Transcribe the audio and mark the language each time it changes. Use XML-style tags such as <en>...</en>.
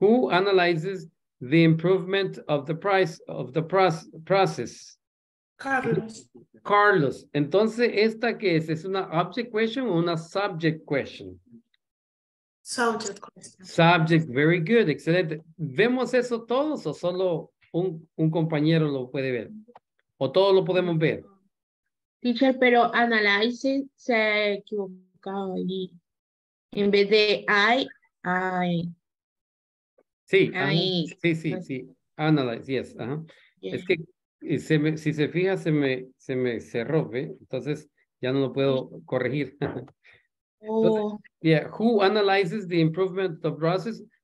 <en>Who analyzes the improvement of the price of the process? Carlos.</en> <es>Entonces, ¿esta qué es? ¿Es una object question o una subject question?</es> <en>Subject question. Subject, very good, excelente.</en> <es>¿Vemos eso todos o solo un compañero lo puede ver? ¿O todos lo podemos ver? Teacher, pero analyze se ha equivocado allí. En vez de I.</es> <en>Sí, sí. Analyze, yes. Uh-huh. Yeah.</en> <es>Es que si se fija, se me cerró, ¿ve? Entonces ya no lo puedo corregir.</es> <en>Entonces, yeah, who analyzes the improvement of process?</en>